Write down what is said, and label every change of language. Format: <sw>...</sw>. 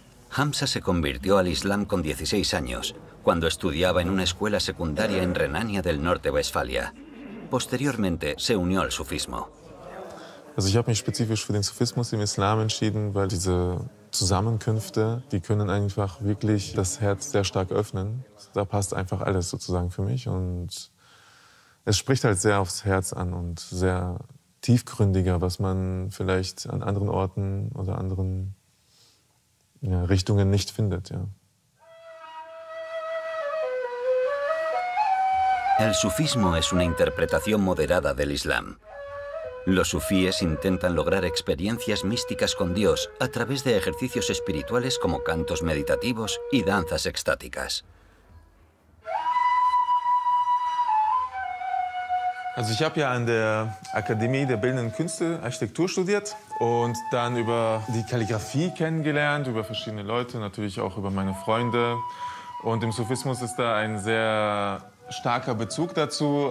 <es>Hamza se convirtió al Islam con 16 años, cuando estudiaba en una escuela secundaria en Renania del Norte-Westfalia. Posteriormente, se unió al sufismo.</es> <de>Also ich habe mich spezifisch für den Sufismus im Islam entschieden, weil diese Zusammenkünfte, die können einfach wirklich das Herz sehr stark öffnen. Da passt einfach alles sozusagen für mich und es spricht halt sehr aufs Herz an und sehr tiefgründiger, was man vielleicht an anderen Orten oder anderen Richtungen nicht findet, ja.</de> <es>El sufismo es una interpretación moderada del Islam. Los sufíes intentan lograr experiencias místicas con Dios a través de ejercicios espirituales como cantos meditativos y danzas extáticas.</es> <de>Also ich habe ja an der Akademie der Bildenden Künste Architektur studiert und dann über die Kalligrafie kennengelernt, über verschiedene Leute, natürlich auch über meine Freunde. Und im Sufismus ist da ein sehr starker Bezug dazu.</de>